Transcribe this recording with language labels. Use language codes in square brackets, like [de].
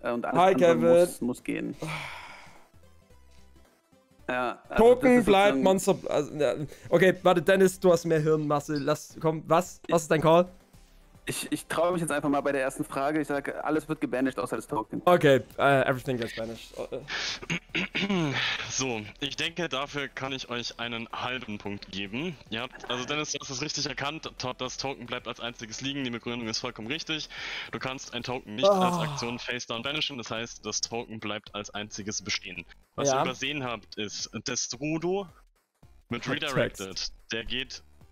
[de] Und alles muss gehen. Ja, also Token bleibt Monster. Also, okay, warte, Dennis, du hast mehr Hirnmasse. Lass, komm, was ist dein Call? Ich traue mich jetzt einfach mal bei der ersten Frage. Ich sage, alles wird gebanished außer das Token. [en] Okay, everything gets banished. [de] So, ich denke, dafür kann ich euch einen halben Punkt geben. Ja, also Dennis, du hast es richtig erkannt. Das Token bleibt als einziges liegen. Die Begründung ist vollkommen richtig. Du kannst ein Token nicht als Aktion face down banishen. Das heißt, das Token bleibt als einziges bestehen. Was ihr übersehen habt, ist Destrudo mit Redirected. Text. Der geht...